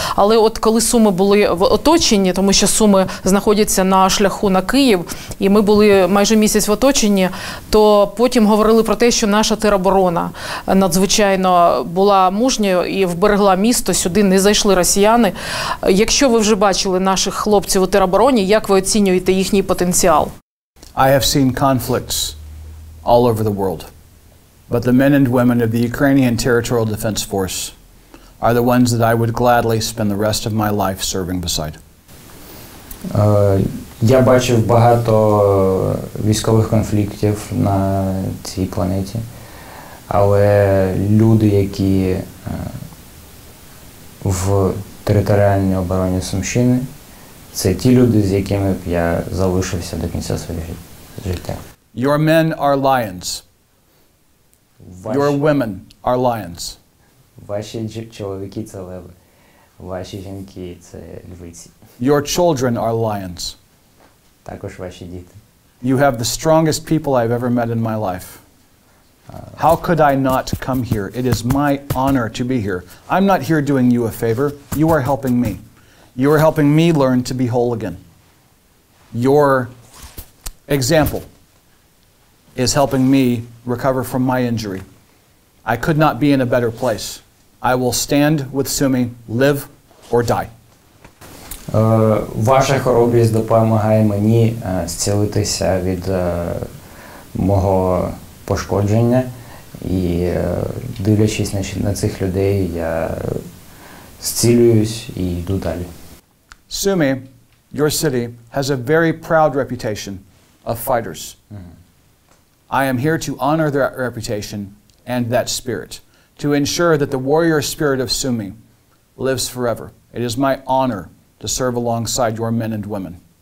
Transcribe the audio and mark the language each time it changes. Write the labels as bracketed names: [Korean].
[Ukrainian] Але от коли Суми були в оточенні, тому що Суми знаходяться на шляху на Київ, і ми були майже місяць в оточенні, то потім говорили про те, що наша тероборона надзвичайно була мужньою і вберегла місто, сюди не зайшли росіяни. Якщо ви вже бачили наших хлопців у теробороні, як ви оцінюєте їхній потенціал? [English] I have seen conflicts all over the world. But the men and women of the Ukrainian Territorial Defense Force are the ones that I would gladly spend the rest of my life serving beside. [Ukrainian] Я бачив багато військових конфліктів на цій планеті, але люди, які в територіальній обороні Сумщини, це ті люди, з якими б я залишився до кінця своєї життя. [English] Your men are lions. Your women are lions. [Ukrainian] Ваші чоловіки – це леви. Ваші жінки – це львиці. [English] Your children are lions. [Ukrainian] Також ваші діти. [English] You have the strongest people I've ever met in my life. How could I not come here? It is my honor to be here. I'm not here doing you a favor. You are helping me. You are helping me learn to be whole again. Your example is helping me recover from my injury. I could not be in a better place. I will stand with Sumy, live or die. [Ukrainian] Ваша хоробрість допомагає мені зцілитися від мого пошкодження. І дивлячись на цих людей, я зцілююсь і йду далі. [English] Sumy, your city, has a very proud reputation of fighters. I am here to honor that reputation and that spirit, to ensure that the warrior spirit of Sumy lives forever. It is my honor to serve alongside your men and women.